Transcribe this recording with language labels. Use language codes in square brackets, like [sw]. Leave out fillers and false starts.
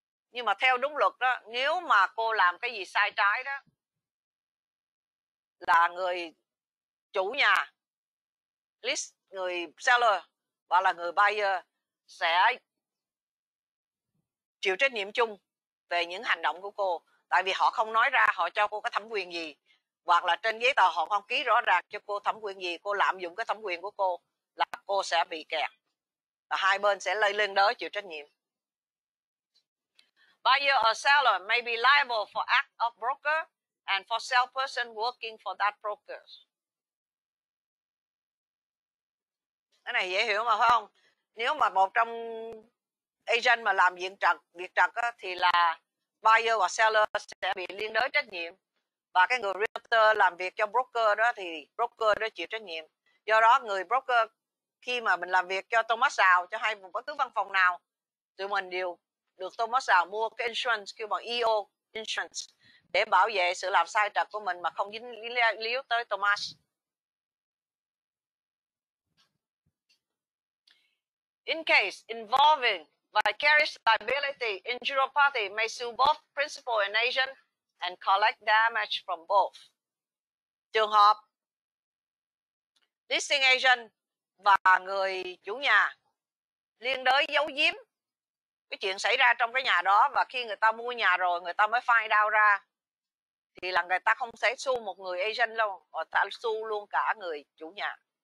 [vi] Nhưng mà theo đúng luật đó, nếu mà cô làm cái gì sai trái đó, là người chủ nhà, list người seller và là người buyer sẽ chịu trách nhiệm chung về những hành động của cô, tại vì họ không nói ra họ cho cô cái thẩm quyền gì. Hoặc là trên giấy tờ họ không ký rõ ràng cho cô thẩm quyền gì, cô lạm dụng cái thẩm quyền của cô là cô sẽ bị kẹt. Và hai bên sẽ lây lên đó chịu trách nhiệm. [en] Buyer or seller may be liable for act of broker and for salesperson working for that broker. [vi] Cái này dễ hiểu mà phải không? Nếu mà một trong agent mà làm việc trật á, thì là buyer và seller sẽ bị liên đới trách nhiệm. Và cái người realtor làm việc cho broker đó thì broker đó chịu trách nhiệm. Do đó người broker khi mà mình làm việc cho Thomas Sào, cho hay bất cứ văn phòng nào, tụi mình đều được Thomas Sào mua cái insurance kêu bằng EO insurance để bảo vệ sự làm sai trật của mình mà không dính líu tới Thomas. [en] In case involving vicarious liability, injured party may sue both principal and agent and collect damage from both. [vi] Trường hợp listing agent và người chủ nhà liên đới giấu giếm cái chuyện xảy ra trong cái nhà đó, và khi người ta mua nhà rồi người ta mới [en] find out [vi] ra, thì là người ta không sẽ sue một người agent đâu, họ sẽ sue luôn cả người chủ nhà.